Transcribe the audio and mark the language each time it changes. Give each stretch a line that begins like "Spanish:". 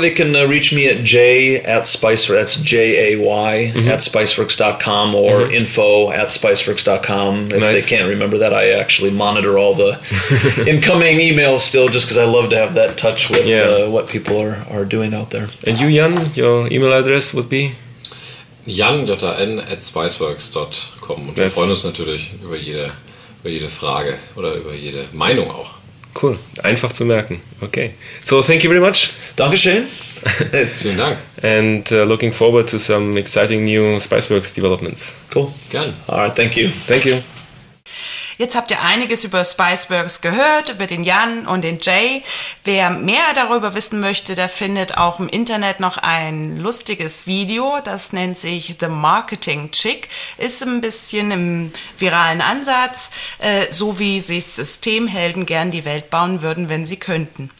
English: They can reach me at jay@spiceworks.com. That's jay at spiceworks.com or info@spiceworks.com. If they can't remember that, I actually monitor all the incoming emails still, just because I love to have that touch with what people are doing out there. And you, Jan, your email address would be? jan@spiceworks.com.
German: Und wir freuen uns natürlich über jede Frage oder über jede Meinung auch. Cool, einfach zu merken.
English: Okay, so thank you very much.
German: Dankeschön. Vielen Dank.
English: And looking forward to some exciting new Spiceworks developments. Cool,
German: gerne.
English: All right, thank you. Thank you.
German: Jetzt habt ihr einiges über Spiceworks gehört, über den Jan und den Jay. Wer mehr darüber wissen möchte, der findet auch im Internet noch ein lustiges Video. Das nennt sich The Marketing Chick. Ist ein bisschen im viralen Ansatz, so wie sich Systemhelden gern die Welt bauen würden, wenn sie könnten.